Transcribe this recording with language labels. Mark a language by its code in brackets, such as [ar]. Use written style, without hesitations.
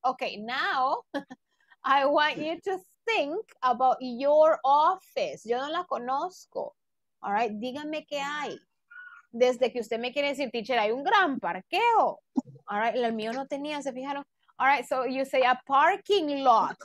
[en] Okay, now I want you to think about your office. [es] Yo no la conozco, [en] all right? [es] Dígame qué hay. Desde que usted me quiere decir, teacher, hay un gran parqueo. [en] All right, [es] el mío no tenía, ¿se fijaron? [en] All right, so you say a parking lot.